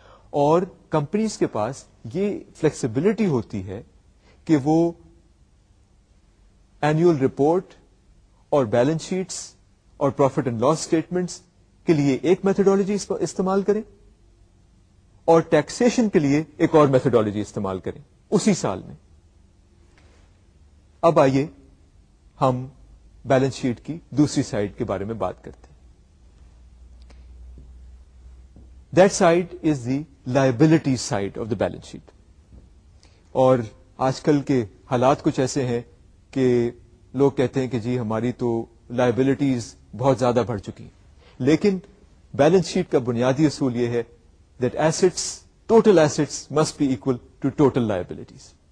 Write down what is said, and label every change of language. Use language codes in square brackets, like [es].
[ur] اور کمپنیز کے پاس یہ فلیکسیبلٹی ہوتی ہے کہ وہ اینیول رپورٹ اور بیلنس شیٹس اور پروفٹ اینڈ لاس اسٹیٹمنٹس کے لیے ایک میتھڈالوجی استعمال کریں اور ٹیکسیشن کے لیے ایک اور میتھڈالوجی استعمال کریں اسی سال میں. اب آئیے ہم بیلنس شیٹ کی دوسری سائڈ کے بارے میں بات کرتے ہیں. [en] That side is the liability side of the balance sheet. [ur] اور آج کل کے حالات کچھ ایسے ہیں کہ لوگ کہتے ہیں کہ جی ہماری تو لائبلٹیز بہت زیادہ بڑھ چکی, لیکن بیلنس شیٹ کا بنیادی اصول یہ ہے [en] That assets, total assets must be equal to total liabilities.